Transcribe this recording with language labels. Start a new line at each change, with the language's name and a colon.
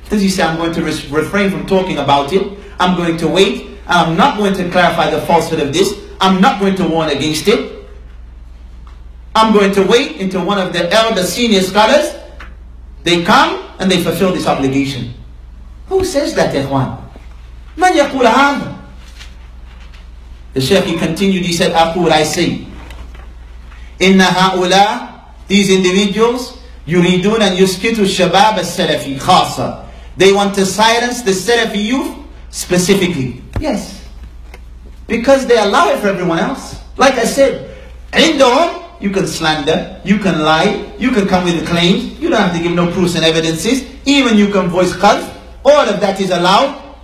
English: Does he say, I'm going to refrain from talking about it, I'm going to wait, and I'm not going to clarify the falsehood of this, I'm not going to warn against it, I'm going to wait until one of the elder senior scholars, they come and they fulfill this obligation. Who says that, ikhwan?
Arabic: Man yaqul hadha?
English: The Shaykh, he continued, he said,
Arabic: أقول,
English: I say,
Arabic: إن هؤلاء,
English: these individuals,
Arabic: يريدون أن يسكتوا الشباب السلفي خاصة.
English: They want to silence the Salafi youth specifically. Yes. Because they allow it for everyone else. Like I said,
Arabic: عندهم,
English: you can slander, you can lie, you can come with claims, you don't have to give no proofs and evidences, even you can voice khalf, all of that is allowed.